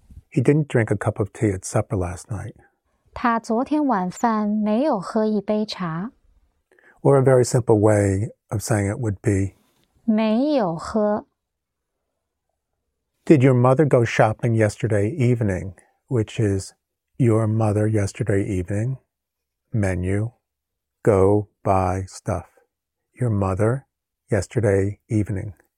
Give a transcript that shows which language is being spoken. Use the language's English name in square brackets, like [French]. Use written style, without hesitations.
[English] He didn't drink a cup of tea at supper last night. [Chinese] 他昨天晚饭没有喝一杯茶. [English] Or a very simple way of saying it would be [Chinese] 没有喝. [English] Did your mother go shopping yesterday evening? Which is your mother yesterday evening. Menu. Go buy stuff. Your mother yesterday evening.